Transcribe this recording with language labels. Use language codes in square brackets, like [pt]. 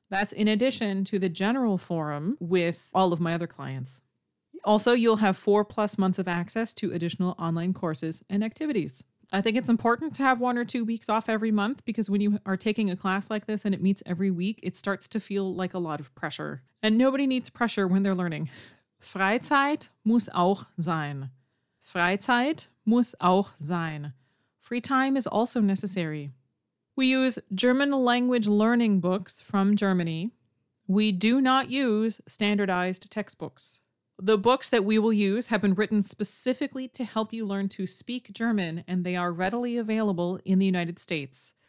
[en] That's in addition to the general forum with all of my other clients. Also, you'll have 4+ months of access to additional online courses and activities. I think it's important to have 1 or 2 weeks off every month because when you are taking a class like this and it meets every week, it starts to feel like a lot of pressure. And nobody needs pressure when they're learning. [de] Freizeit muss auch sein. Freizeit muss auch sein. [en] Free time is also necessary. We use German language learning books from Germany. We do not use standardized textbooks. The books that we will use have been written specifically to help you learn to speak German, and they are readily available in the United States.